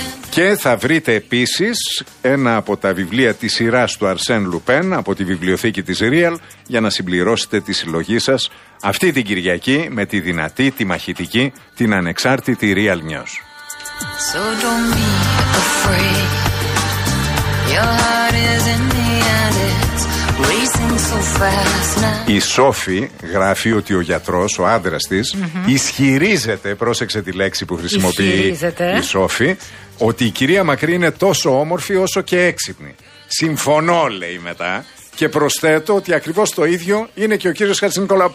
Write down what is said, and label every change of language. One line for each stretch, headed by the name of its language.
Greek: Και θα βρείτε επίσης ένα από τα βιβλία της σειράς του Αρσέν Λουπέν από τη βιβλιοθήκη της Real για να συμπληρώσετε τη συλλογή σας αυτή την Κυριακή με τη δυνατή, τη μαχητική, την ανεξάρτητη Real News.
English: So don't be afraid. Your heart is in the attic, racing so fast now.
Greek: Η Σόφη γράφει ότι ο γιατρός, ο άντρας της, ισχυρίζεται, πρόσεξε τη λέξη που χρησιμοποιεί η Σόφη, ότι η κυρία Μακρύ είναι τόσο όμορφη όσο και έξυπνη. Συμφωνώ, λέει μετά, και προσθέτω ότι ακριβώς το ίδιο είναι και ο κύριος Χατζηνικολάου.